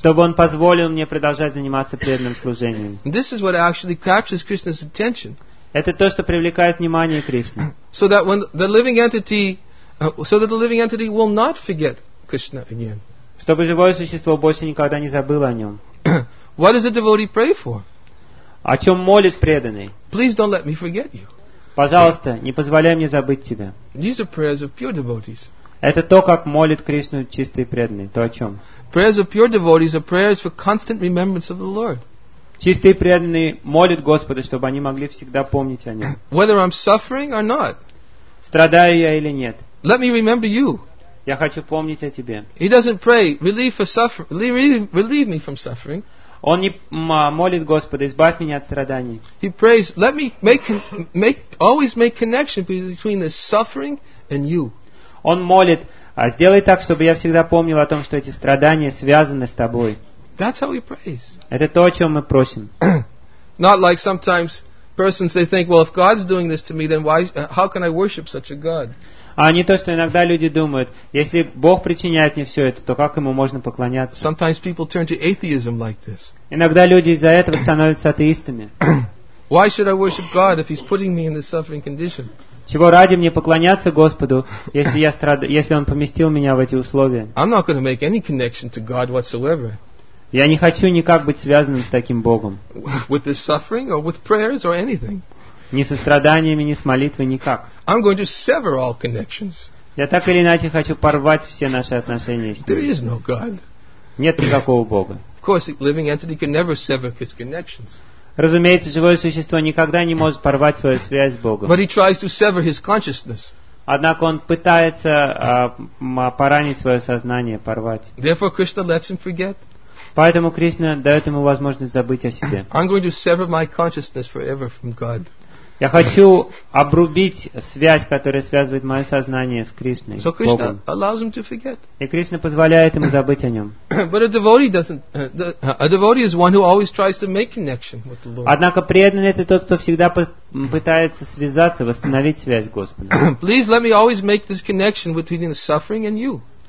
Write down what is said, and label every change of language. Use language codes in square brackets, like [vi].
[ru] Чтобы он позволил мне продолжать заниматься преданным служением. [en] And this is what actually captures Krishna's attention. [ru] Это то, что привлекает внимание Кришны. [en] So that when the living entity, so that the living entity will not forget Krishna again. [ru] Чтобы живое существо больше никогда не забыло о нем. [en] What does a devotee pray for? [ru] О чем молит преданный? [en] Please don't let me forget you. [ru] Пожалуйста, не позволяй мне забыть тебя. [en] These are prayers of pure devotees. [ru] Это то, как молит Кришну чистый преданный. То о чем? [en] Prayers of pure devotees are prayers for constant remembrance of the Lord. [ru] Чистые преданные молят Господа, чтобы они могли всегда помнить о нем. [en] Whether I'm suffering or not. [ru] Страдаю я или нет. [en] Let me remember you. [ru] Я хочу помнить о тебе. [en] He doesn't pray, relieve me from suffering. [ru] Он не молит Господа, избавь меня от страданий. [en] He prays, let me always make connection between the suffering and you. [ru] Он молит, сделай так, чтобы я всегда помнил о том, что эти страдания связаны с тобой. [en] That's how he prays. [ru] Это то, о чем мы просим. [en] Not like sometimes persons they think, well, if God's doing this to me, then why, how can I worship such a God? [ru] А не то, что иногда люди думают, если Бог причиняет мне все это, то как ему можно поклоняться? [en] Sometimes people turn to atheism like this. [ru] Иногда люди из-за этого становятся атеистами. [en] Why should I worship God if he's putting me in this suffering condition? [ru] Чего ради мне поклоняться Господу, если я страдаю, если он поместил меня в эти условия? [en] I'm not going to make any connection to God whatsoever. [ru] Я не хочу никак быть связанным с таким Богом. [en] With this suffering or with prayers or anything. [ru] Ни со страданиями, ни с молитвой, никак. [en] I'm going to sever all connections. [ru] Я так или иначе хочу порвать все наши отношения с ним. [en] There is no God. [ru] Нет никакого Бога. [en] Of course, a living entity can never sever his connections. [ru] Разумеется, живое существо никогда не может порвать свою связь с Богом. [en] But he tries to sever his consciousness. [ru] Однако он пытается поранить свое сознание, порвать. [en] Therefore, Krishna lets him forget. [ru] Поэтому Кришна дает ему возможность забыть о себе. [en] I'm going to sever my consciousness forever from God. [ru] Я хочу обрубить связь, которая связывает мое сознание с Кришной, [en] so Krishna [ru] Богом. [en] Allows him to forget. [ru] И Кришна позволяет ему забыть о нем. [en] But a devotee doesn't. A devotee is one who always tries to make connection with the Lord. [ru] Однако преданный — это тот, кто всегда пытается связаться, восстановить связь с Господом. [en] Please let me always make this connection between the suffering and you.